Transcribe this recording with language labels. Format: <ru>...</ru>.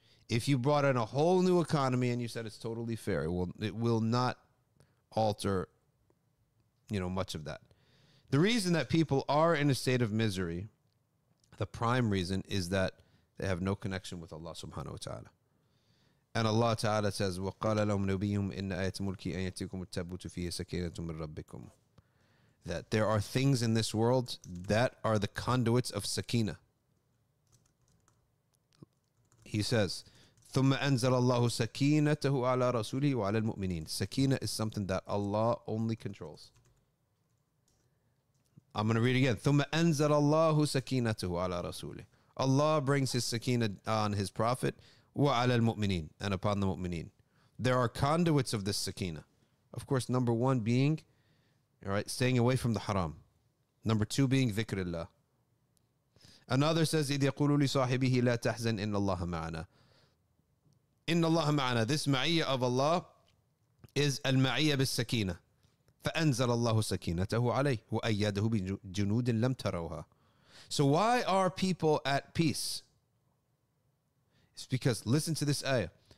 <en>If you brought in a whole new economy and you said it's totally fair, it will not alter, you know, much of that. The reason that people are in a state of misery, the prime reason, is that they have no connection with Allah subhanahu wa ta'ala. And Allah ta'ala says,</en> <ar>وَقَالَ لَهُمْ نَبِيُّهُمْ إِنَّ آيَةَ مُلْكِي أَنْ يَتِيكُمُ التَّابُوتُ فِيهِ سَكِينَةٌ مِنْ رَبِّكُمْ.</ar> <en>That there are things in this world that are the conduits of sakina. He says,</en> <ar>ثُمَّ أَنْزَلَ اللَّهُ سَكِينَتَهُ عَلَى رَسُولِهِ وَعَلَى الْمُؤْمِنِينَ.</ar> <en>Sakina is something that Allah only controls. I'm going to read again.</en> <ar>ثُمَّ أَنزَلَ اللَّهُ سَكِينَتُهُ عَلَى رَسُولِهِ.</ar> <en>Allah brings his sakina on his prophet,</en> <ar>وَعَلَى الْمُؤْمِنِينَ,</ar> <en>and upon the mu'mineen. There are conduits of this sakina. Of course, number one being All right, staying away from the haram. Number two being dhikrillah. Another says,</en> <ar>إِذْ يَقُولُ لِصَاحِبِهِ لَا تَحْزَنْ إِنَّ اللَّهَ مَعَنَا. إِنَّ اللَّهَ مَعَنَا.</ar> <en>This ma'iyya of Allah is al-ma'iyya bis-sakina.</en> <ar>فَأَنزَلَ اللَّهُ سَكِينَتَهُ عَلَيْهُ وَأَيَّدَهُ بِجُنُودٍ لَمْ تَرَوْهَا.</ar> <en>So why are people at peace? It's because, listen to this ayah.</en>